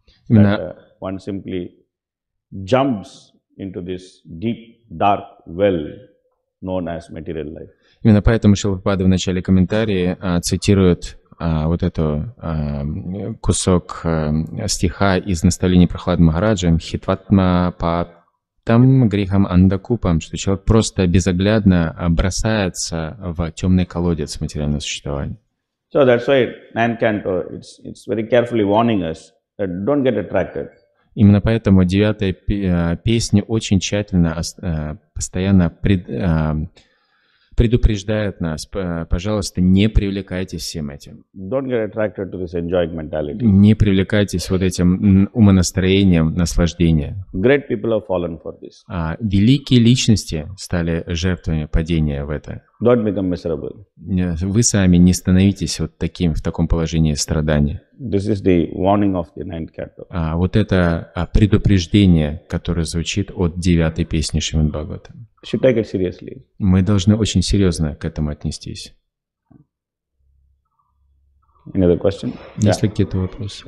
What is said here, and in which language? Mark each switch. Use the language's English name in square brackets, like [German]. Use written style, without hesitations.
[English] That one simply jumps into this deep, dark well known as material life. [Russian] Именно поэтому Шрила Прабхупада в начале комментарии цитирует вот эту кусок стиха из наставления Прахлады Махараджа [Sanskrit] «Хитватма патам грихам андакупам», [Russian] что человек просто безоглядно бросается в темный колодец материального существования. [English] So that's why ninth canto, it's very carefully warning us. Don't get attracted. [Russian] Именно поэтому девятая песня очень тщательно, постоянно предупреждает нас, пожалуйста, не привлекайтесь всем этим. [English] Don't get attracted to this enjoying mentality. [Russian] Не привлекайтесь вот этим умонастроением, наслаждением. [English] Great people have fallen for this. [Russian] Великие личности стали жертвами падения в это. [English] Don't become miserable. [Russian] Вы сами не становитесь вот таким, в таком положении страдания. [English] This is the warning of the ninth canto. [Russian] Вот это предупреждение, которое звучит от девятой песни Шримад Бхагаватам. [English] Should take it seriously. [Russian] Мы должны очень серьезно к этому отнестись. [English] Any other question? [Russian] Есть ли какие-то вопросы?